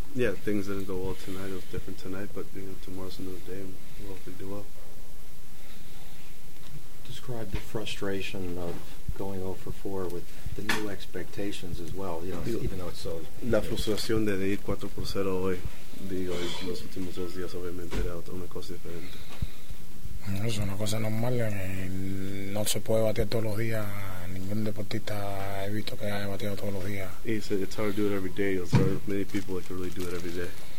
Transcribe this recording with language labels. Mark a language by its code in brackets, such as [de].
[en] Yeah, things didn't go well tonight, it was different tonight, but you know, tomorrow's another day and we'll hopefully do well. Describe the frustration of going 0-4 with the new expectations as well, you know, even though it's so... [es] La frustración de ir 4-0 hoy, digo, en los últimos dos días obviamente era una cosa diferente. Es una cosa normal, no se puede batear todos los días, ningún deportista he visto que haya bateado todos los días. [en] He said it's hard to do it every day, there are many people that can really do it every day.